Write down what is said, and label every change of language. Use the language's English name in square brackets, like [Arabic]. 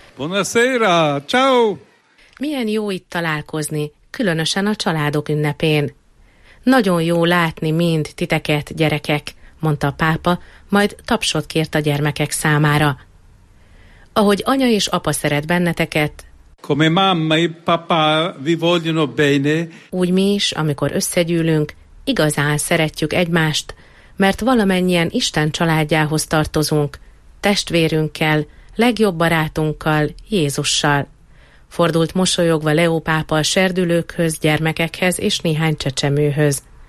[Italian] Buonasera! Ciao! [Hungarian] Milyen jó itt találkozni, különösen a családok ünnepén. Nagyon jó látni mind titeket, gyerekek, mondta a pápa, majd tapsot kért a gyermekek számára. ahogy anya és apa szeret benneteket, [Italian] come mamma e papà vi vogliono bene, [Hungarian] úgy mi is, amikor összegyűlünk, igazán szeretjük egymást, mert valamennyien Isten családjához tartozunk, testvérünkkel, legjobb barátunkkal, Jézussal. Fordult mosolyogva Leó pápa a serdülőkhöz, gyermekekhez és néhány csecsemőhöz.